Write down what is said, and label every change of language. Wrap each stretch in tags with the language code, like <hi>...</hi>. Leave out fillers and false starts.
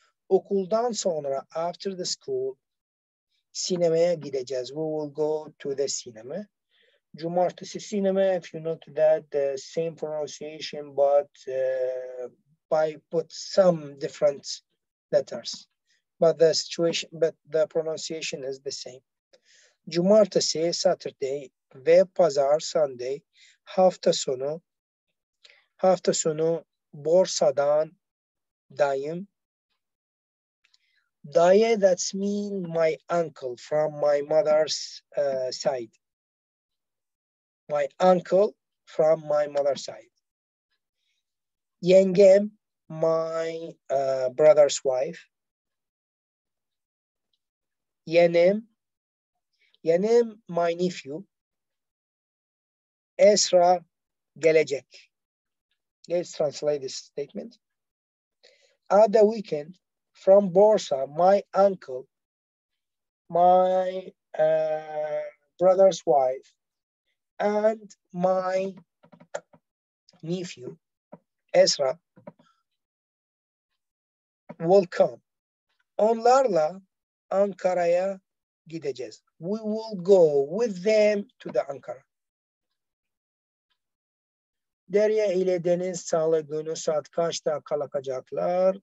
<tr>Okuldan sonra,</tr> <en>after the school,</en> <tr>sinemaya gideceğiz.</tr> <en>We will go to the cinema. Cumartesi sinema, if you know that, the same pronunciation, but by put some different letters. But the situation, but the pronunciation is the same.</en> <tr>Cumartesi, Saturday, ve pazar, Sunday, hafta sonu borsadan dayım.</tr> <en>Daye, that's mean my uncle from my mother's side. My uncle from my mother's side. Yengem, my brother's wife. Yenem, my nephew. Esra, gelecek. Let's translate this statement. At the weekend, from Borsa, my uncle, my brother's wife, and my nephew, Esra, will come.</en> <tr>Onlarla Ankara'ya gideceğiz.</tr> <en>We will go with them to the Ankara.</en> <tr>Derya ile deniz salı günü saat kaçta kalkacaklar?</tr>